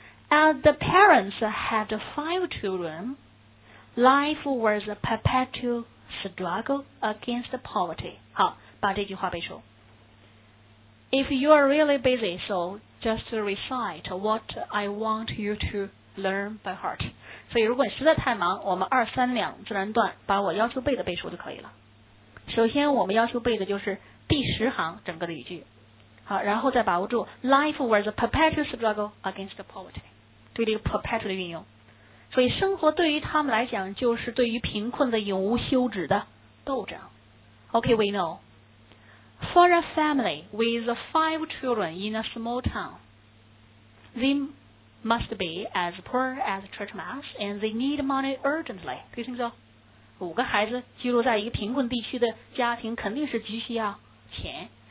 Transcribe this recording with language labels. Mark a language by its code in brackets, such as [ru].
[en] As the parents had five children life was a perpetual struggle against poverty [zh] 好把这句话背熟 [en] If you are really busy soJust to recite what I want you to learn by heart. [zh] 所以如果你实在太忙，我们二三两自然段把我要求背的背熟就可以了。首先我们要求背的就是第十行整个的语句。好，然后再把握住 [en] Life was a perpetual struggle against poverty. [zh] 对这个 perpetual 的运用。所以生活对于他们来讲就是对于贫困的永无休止的斗争。 [en] Okay, we know. For a family with five children in a small town, they must be as poor as church mouse and they need money urgently. [zh] 可以听说五个孩子居住在一个贫困地区的家庭肯定是急需要钱。